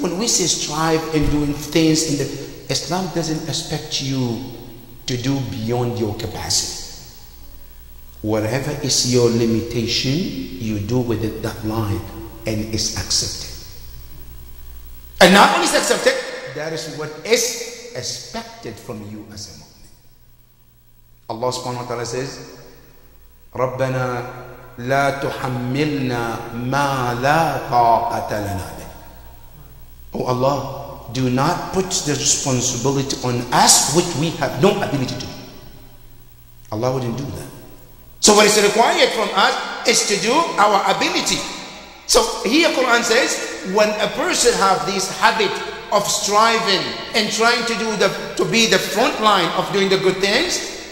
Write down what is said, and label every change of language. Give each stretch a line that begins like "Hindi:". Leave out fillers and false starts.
English: When we say strive and doing things in the Islam, doesn't expect you to do beyond your capacity. Whatever is your limitation, you do with it that line and it's accepted. And not only is accepted, that is what is expected from you as a mu'min.
Arabic: Allah subhanahu wa ta'ala says, رَبَّنَا لَا تُحَمِّلْنَا مَا لَا طَاقَةَ لَنَا بِهِ.
English: Oh Allah, do not put the responsibility on us which we have no ability to do. Allah wouldn't do that. So what is required from us is to do our ability. So here Quran says, when a person have this habit of striving and trying to do the to be the front line of doing the good things,